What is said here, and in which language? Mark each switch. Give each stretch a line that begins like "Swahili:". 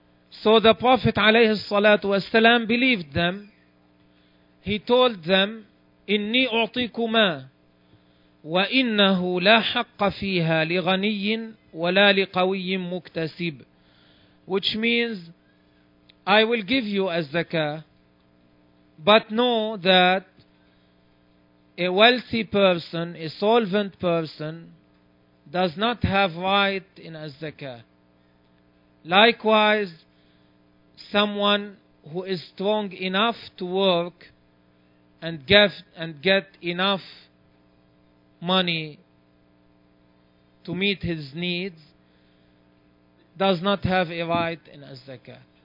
English: So the Prophet
Arabic: عليه الصلاة والسلام
English: believed them. He told them,
Arabic: إني أعطيكما وإنه لا حق فيها لغني ولا لقوي مكتسب.
English: Which means, I will give you a zakah, but know that a wealthy person, a solvent person, does not have right in a zakah. Likewise, someone who is strong enough to work and get enough money to meet his needs does not have a right in a zakah.